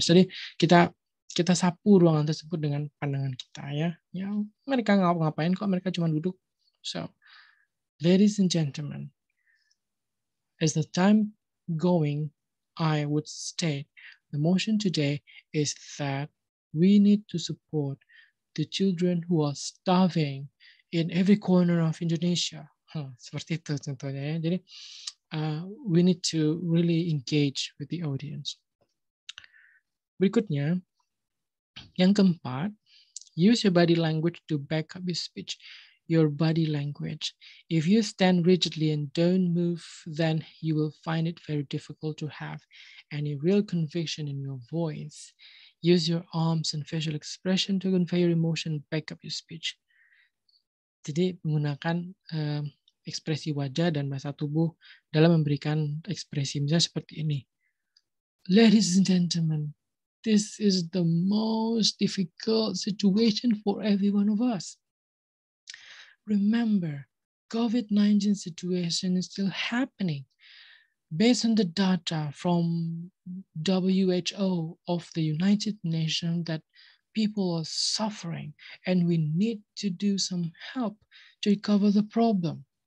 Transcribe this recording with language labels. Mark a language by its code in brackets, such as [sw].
[id] Jadi kita sapu ruangan tersebut dengan pandangan kita ya. Ya, mereka ngapain kok mereka cuma duduk. [en] So, ladies and gentlemen, as the time going, I would state the motion today is that we need to support the children who are starving in every corner of Indonesia. [id] Seperti itu contohnya ya. [en] Jadi we need to really engage with the audience. [id] Berikutnya, yang keempat, [en] use your body language to back up your speech. Your body language. If you stand rigidly and don't move, then you will find it very difficult to have any real conviction in your voice. Use your arms and facial expression to convey your emotion, back up your speech. [id] Jadi menggunakan ekspresi wajah dan bahasa tubuh dalam memberikan ekspresi misalnya seperti ini. [en] Ladies and gentlemen, this is the most difficult situation for every one of us. Remember, COVID-19 situation is still happening. Based on the data from WHO of the United Nations that people are suffering and we need to do some help to recover the problem.